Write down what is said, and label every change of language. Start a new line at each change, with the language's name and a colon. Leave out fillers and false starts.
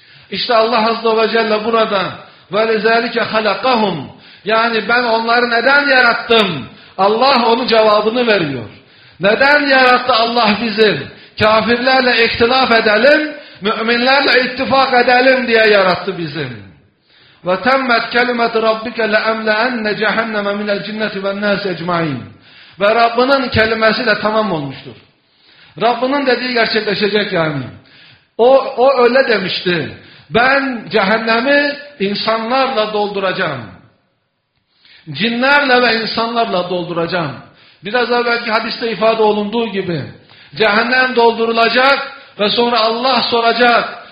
Turkish: İşte Allah Azze ve Celle burada
Arabic: وَلِذَٰلِكَ خَلَقَهُمْ
Turkish: yani ben onları neden yarattım? Allah onun cevabını veriyor. Neden yarattı Allah bizi? Kafirlerle ihtilaf edelim, müminlerle ittifak edelim diye yarattı bizi.
Arabic: وَتَمَّتْ كَلِمَةِ رَبِّكَ لَأَمْلَأَنَّ جَهَنَّمَ مِنَ الْجِنَّةِ وَالنَّاسِ اَجْمَعِينَ
Turkish: ve Rabbinin kelimesi de tamam olmuştur. Rabbinin dediği gerçekleşecek yani. O öyle demişti. Ben cehennemi insanlarla dolduracağım. Cinlerle ve insanlarla dolduracağım. Biraz evvelki hadiste ifade olunduğu gibi cehennem doldurulacak ve sonra Allah soracak.